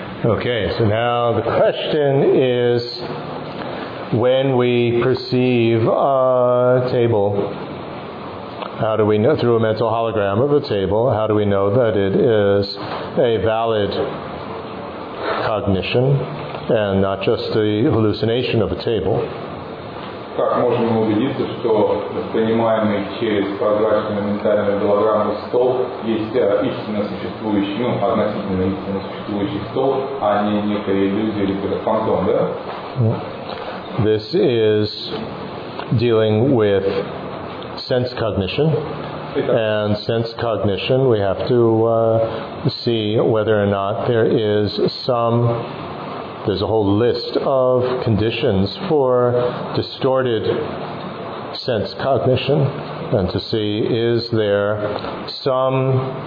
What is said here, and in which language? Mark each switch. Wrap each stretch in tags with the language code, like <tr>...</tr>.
<en>Okay, so now the question is when we perceive a table, how do we know, through a mental hologram of a table, how do we know that it is a valid cognition and not just the hallucination of a table?</en> <ru>Как можем мы убедиться, что воспринимаемый через прозрачную ментальную голограмму стол есть истинно существующий, ну, относительно истинно существующий стол, а не некая иллюзия или какой-то фантом, да?</ru> <en>This is dealing with sense cognition, and sense cognition, we have to see whether or not there is some, there's a whole list of conditions for distorted sense cognition, and to see is there some</en>